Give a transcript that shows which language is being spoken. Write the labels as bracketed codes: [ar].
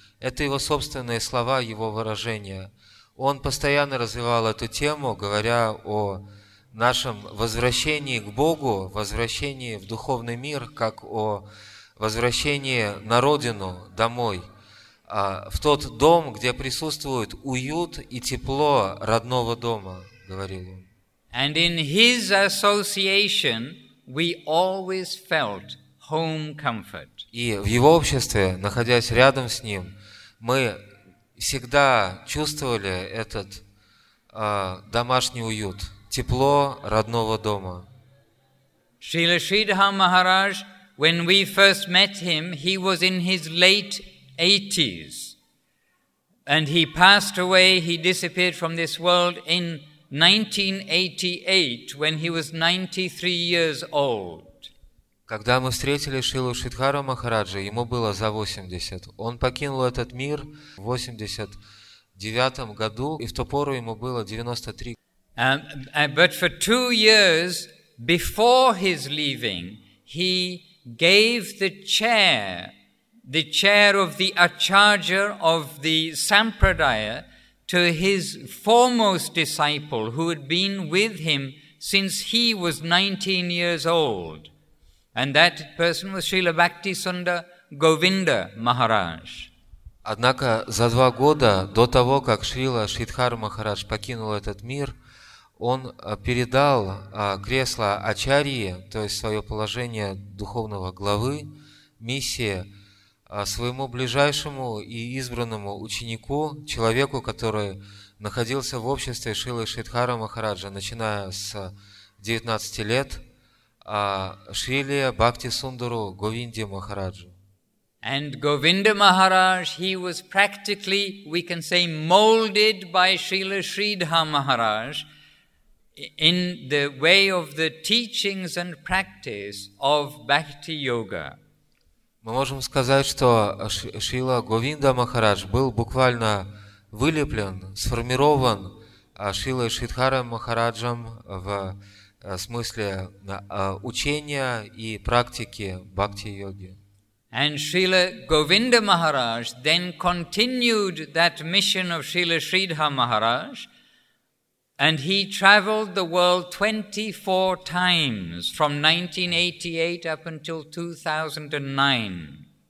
[ru] Это его собственные слова, его выражения. Он постоянно развивал эту тему, говоря о нашем возвращении к Богу, возвращении в духовный мир, как о возвращении на родину, домой, в тот дом, где присутствует уют и тепло родного дома, говорил он. [en] And in his association we always felt home comfort. [ru] И в его обществе, находясь рядом с ним, мы всегда чувствовали этот домашний уют, тепло родного дома. [en] Srila Sridhara Maharaj, when we first met him, he was in his late 80s. And he passed away, he disappeared from this world in 1988, when he was 93 years old. [ru] Когда мы встретили Шрилу Шридхару Махараджа, ему было за 80. Он покинул этот мир в 89 году, и в ту пору ему было 93. [en] But for 2 years before his leaving, he gave the chair the chair of the Acharya of the Sampradaya to his foremost disciple who had been with him since he was 19 years old. And that person was Srila Bhakti Sundar Govinda Maharaj. [ru] Однако за два года до того, как Шрила Шридхара Махарадж покинул этот мир, он передал кресло Ачарьи, то есть свое положение духовного главы, миссии, своему ближайшему и избранному ученику, человеку, который находился в обществе Шрилы Шридхара Махараджа, начиная с 19 лет, Шриле Бхакти Сундару Говинде Махараджу. [en] And Govinda Maharaj, he was practically, we can say, molded by Srila Sridhar Maharaj in the way of the teachings and practice of Bhakti Yoga. [ru] Мы можем сказать, что Шрила Говинда Махарадж был буквально вылеплен, сформирован Шрилой Шридхарой Махараджем в смысле учения и практики Бхакти Йоги. [en] And Srila Govinda Maharaj then continued that mission of Srila Sridhar Maharaj, and he traveled the world 24 times from 1988 up until 2009.